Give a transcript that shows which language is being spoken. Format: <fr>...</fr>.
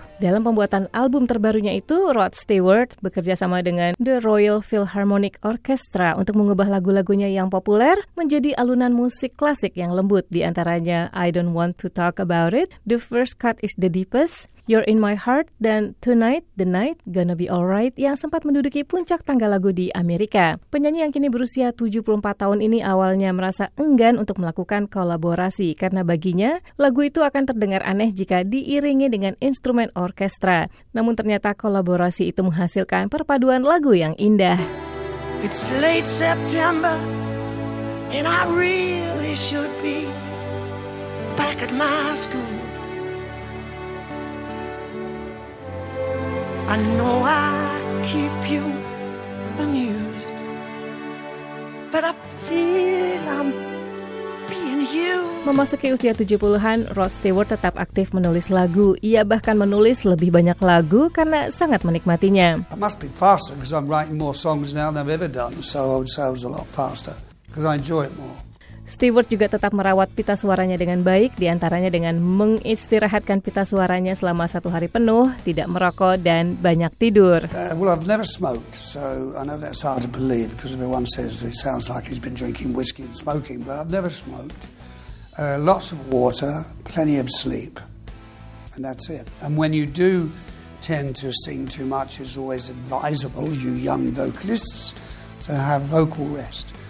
<id>Dalam pembuatan album terbarunya itu, Rod Stewart bekerja sama dengan The Royal Philharmonic Orchestra untuk mengubah lagu-lagunya yang populer menjadi alunan musik klasik yang lembut, di antaranya I Don't Want to Talk About It, The First Cut is the Deepest, You're In My Heart, dan Tonight, The Night, Gonna Be Alright, yang sempat menduduki puncak tangga lagu di Amerika. Penyanyi yang kini berusia 74 tahun ini awalnya merasa enggan untuk melakukan kolaborasi, karena baginya, lagu itu akan terdengar aneh jika diiringi dengan instrumen orkestra. Namun ternyata kolaborasi itu menghasilkan perpaduan lagu yang indah.</id> <en>It's late September, and I really should be back at my school. I know I keep you amused, but I feel I'm being used.</en> <id>Memasuki usia 70-an, Rod Stewart tetap aktif menulis lagu. Ia bahkan menulis lebih banyak lagu karena sangat menikmatinya.</id> <en>I must be faster because I'm writing more songs now than I've ever done, so I would say I was a lot faster because I enjoy it more.</en> <id>Stewart juga tetap merawat pita suaranya dengan baik, diantaranya dengan mengistirahatkan pita suaranya selama satu hari penuh, tidak merokok, dan banyak tidur. Well, I've never smoked, so I know that's hard to believe because everyone says it sounds like he's been drinking whiskey and smoking, but I've never smoked. Lots of water, plenty of sleep, and that's it. And when you do tend to sing too much, it's always advisable, you young vocalists, to have vocal rest.</id>